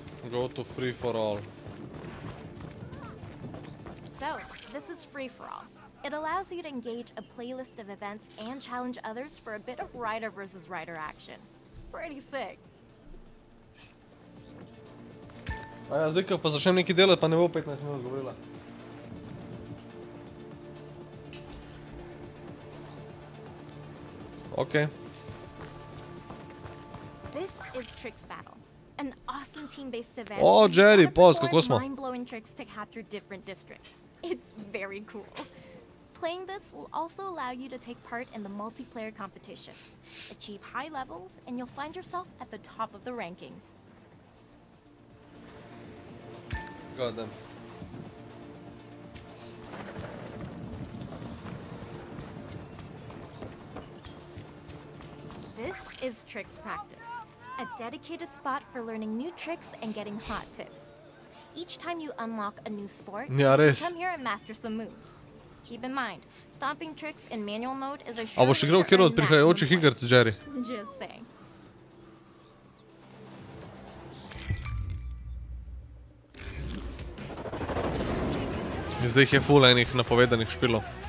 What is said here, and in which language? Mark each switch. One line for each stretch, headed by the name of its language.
English: Go to Free For All. So, this is Free For All. It allows you to engage a playlist of events and challenge others for a bit of rider versus rider action. Pretty sick.
Slovenian: A ja zdaj, ko pa začnem nekaj delati, pa ne bo 15 minut govorila.
English: Ok. This is Trix Battle. An awesome team-based event.
Slovenian: O, Jerry, pos, kako smo?
English: Mind-blowing tricks to capture different districts. It's very cool. Playing this will also allow you to take part in the multiplayer competition. Achieve high levels, and you'll find yourself at the top of the rankings. God damn. This is Tricks Practice, a dedicated spot for learning new tricks and getting hot tips. Each time you unlock a new sport, yeah, you come here and master some moves. Keep in mind, stomping tricks in manual mode is a sure...
Slovenian: A boš igral kjer od prihajajočih igrc, Jerry?
English: Just saying.
Slovenian: Zdaj je ful enih napovedanih špilov.